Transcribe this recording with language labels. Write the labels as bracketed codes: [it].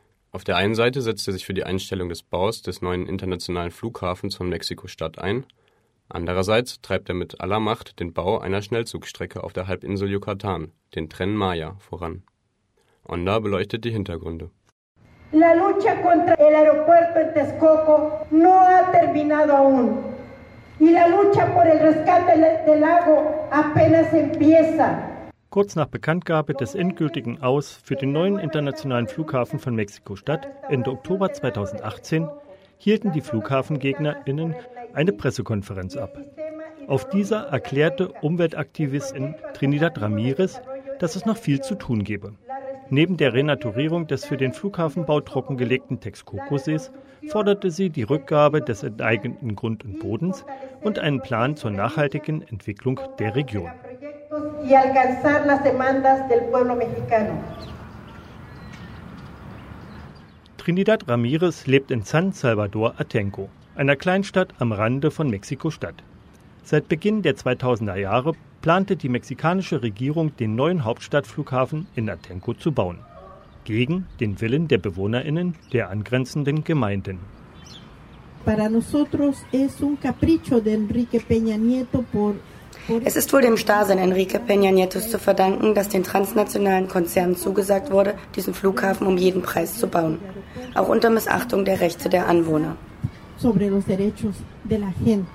[de] Auf der einen Seite setzt er sich für die Einstellung des Baus des neuen internationalen Flughafens von Mexiko-Stadt ein. Andererseits treibt er mit aller Macht den Bau einer Schnellzugstrecke auf der Halbinsel Yucatan, den Tren Maya, voran. Onda beleuchtet die Hintergründe. [es] La lucha contra el aeropuerto en Texcoco no ha terminado aún. Y la lucha por el rescate del lago apenas empieza. [de] Kurz nach Bekanntgabe des endgültigen Aus für den neuen internationalen Flughafen von Mexiko-Stadt Ende Oktober 2018 hielten die FlughafengegnerInnen eine Pressekonferenz ab. Auf dieser erklärte Umweltaktivistin Trinidad Ramirez, dass es noch viel zu tun gebe. Neben der Renaturierung des für den Flughafenbau trockengelegten Texcoco-Sees forderte sie die Rückgabe des enteigneten Grund und Bodens und einen Plan zur nachhaltigen Entwicklung der Region. [es] Y alcanzar las demandas del pueblo mexicano. [de] Trinidad Ramirez lebt in San Salvador Atenco, einer Kleinstadt am Rande von Mexiko-Stadt. Seit Beginn der 2000er Jahre plante die mexikanische Regierung, den neuen Hauptstadtflughafen in Atenco zu bauen. Gegen den Willen der BewohnerInnen der angrenzenden Gemeinden. Es ist wohl dem Starrsinn Enrique Peña Nietos zu verdanken, dass den transnationalen Konzernen zugesagt wurde, diesen Flughafen um jeden Preis zu bauen. Auch unter Missachtung der Rechte der Anwohner. [es] Sobre los derechos de la gente.